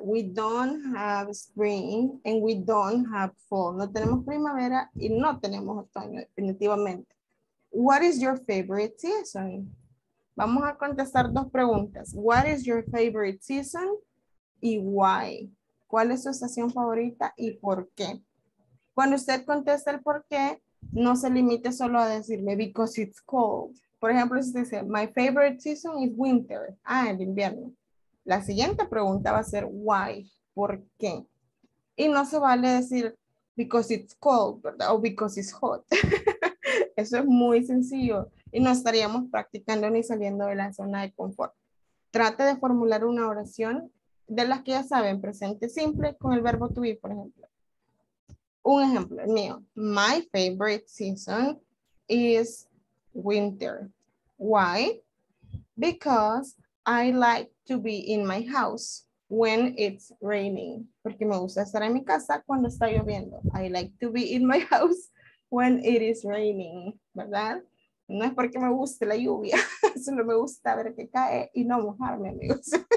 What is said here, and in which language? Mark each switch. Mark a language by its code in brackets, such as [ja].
[en] We don't have spring and we don't have fall. [es] No tenemos primavera y no tenemos otoño, definitivamente. [en] What is your favorite season? [es] Vamos a contestar dos preguntas. [en] What is your favorite season y why? [es] ¿Cuál es su estación favorita y por qué? Cuando usted contesta el por qué, no se limite solo a decirle [en] because it's cold. [es] Por ejemplo, si usted dice, [en] my favorite season is winter. [es] Ah, el invierno. La siguiente pregunta va a ser why, ¿por qué? Y no se vale decir [en] because it's cold, [es] ¿verdad? O [en] because it's hot. [es] Eso es muy sencillo y no estaríamos practicando ni saliendo de la zona de confort. Trate de formular una oración de las que ya saben, presente simple con el verbo to be, por ejemplo. Un ejemplo, el mío. [en] My favorite season is winter. Why? Because I like to be in my house when it's raining. [es] Porque me gusta estar en mi casa cuando está lloviendo. [en] I like to be in my house when it is raining. [es] ¿Verdad? No es porque me guste la lluvia. Solo me gusta ver que cae y no mojarme, amigos.